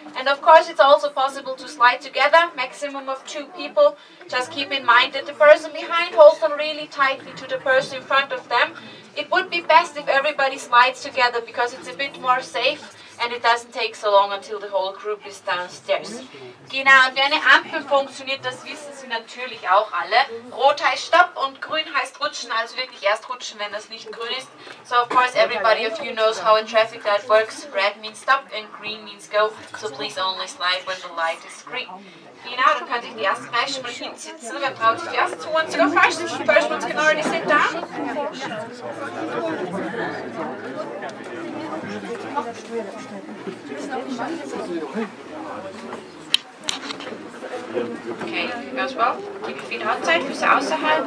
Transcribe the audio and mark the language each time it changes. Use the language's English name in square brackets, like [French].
[English] And of course, it's also possible to slide together, maximum of two people. Just keep in mind that the person behind holds on really tightly to the person in front of them. It would be best if everybody slides together because it's a bit more safe and it doesn't take so long until the whole group is downstairs. [German] Genau, und wie eine Ampel funktioniert, das wissen Sie natürlich auch alle. Rot heißt Stopp und Grün heißt Rutschen, also wirklich erst rutschen, wenn das nicht grün ist. [English] So of course everybody of you knows how a traffic light works. Red means Stop and Green means Go, so please only slide when the light is green. [German] Genau, dann könnte ich die erste Reihe schon mal hinsitzen. Wer traut sich erst? [English] Who wants to go first? The first one can already sit down. Okay, goes well. Keep your feet outside, [German] Füße außerhalb.